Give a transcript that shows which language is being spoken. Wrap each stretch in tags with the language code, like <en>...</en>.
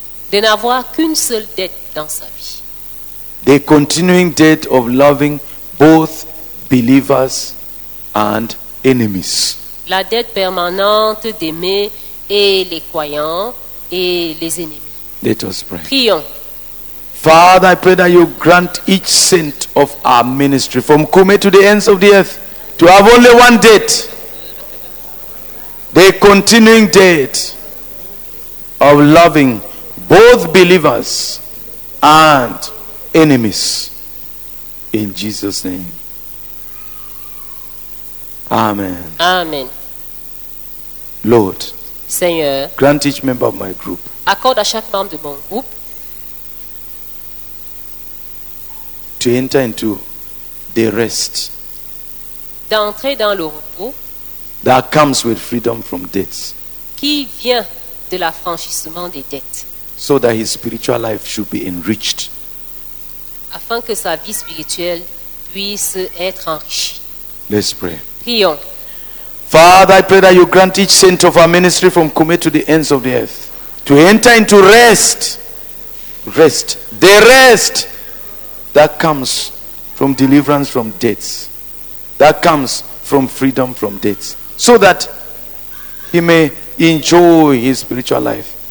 <fr>De n'avoir qu'une seule dette dans sa vie.</fr> <en>The continuing debt of loving both believers and enemies.</en> <fr>La dette permanente d'aimer et les croyants et les ennemis.</fr> <en>Let us pray.</en> <fr>Prions.</fr> <en>Father, I pray that you grant each saint of our ministry from Kume to the ends of the earth to have only one debt. The continuing debt of loving both believers and enemies. In Jesus' name. Amen. Amen. Lord,</en> <fr>Seigneur,</fr> <en>grant each member of my group.</en> <fr>Accorde à chaque membre de mon groupe.</fr> <en>To enter into the rest.</en> <fr>D'entrer dans le repos.</fr> <en>That comes with freedom from debts.</en> <fr>Qui vient de l'affranchissement des dettes.</fr> <en>So that his spiritual life should be enriched.</en> <fr>Afin que sa vie spirituelle puisse être enrichie.</fr> <en>Let's pray.</en> <fr>Prions.</fr> <en>Father, I pray that you grant each saint of our ministry from Kume to the ends of the earth to enter into rest. Rest. The rest that comes from deliverance from debts. That comes from freedom from debts. So that he may enjoy his spiritual life.</en>